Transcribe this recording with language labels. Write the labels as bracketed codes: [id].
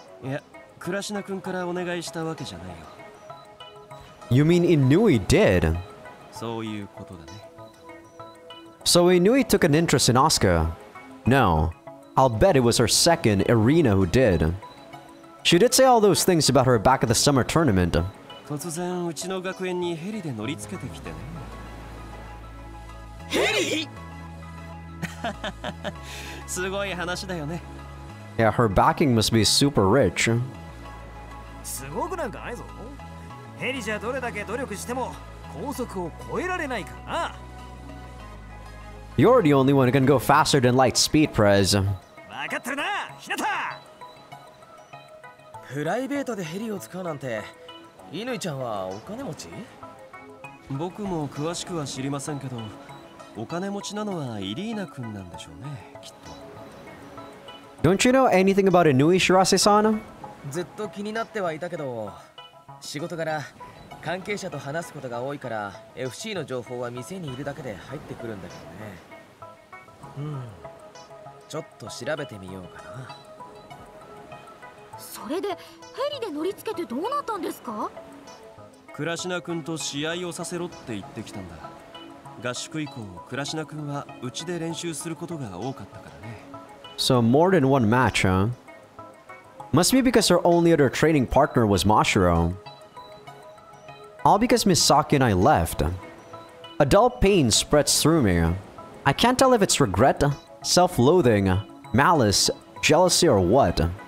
[en] You mean Inui did? [ja] そういうことだね。 [en] So Inui took an interest in Asuka. No, I'll bet it was her second, Irina, who did. She did say all those things about her back at the summer tournament. [ja] 突然うちの学園にヘリで乗りつけてきてね。ヘリ？すごい話だよね。 [en] Yeah, her backing must be super rich. [ja] すごくなんかないぞ。ヘリじゃどれだけ努力しても高速を超えられないからな。 [en] You're the only one who can go faster than light speed, Prez. [ja] 分かってるな、ひなた。プライベートでヘリを使うなんて。イヌイちゃんはお金持ち？僕も詳しくは知りませんけど、お金持ちなのはイリーナ君なんでしょうね、きっと。 [en] Don't you know anything about Inui, Shirase-san? [ja] ずっと気になってはいたけど、仕事柄関係者と話すことが多いから、FC の情報は店にいるだけで入ってくるんだけどね。ちょっと調べてみようかな。それでヘリで乗りつけてどうなったんですか？クラシナ君と試合をさせろって言ってきたんだ。合宿以降、クラシナ君はうちで練習することが多かったからね。 [en] So more than one match, huh? Must be because her only other training partner was Mashiro. All because Misaki and I left. A dull pain spreads through me. I can't tell if it's regret, self-loathing, malice, jealousy or what.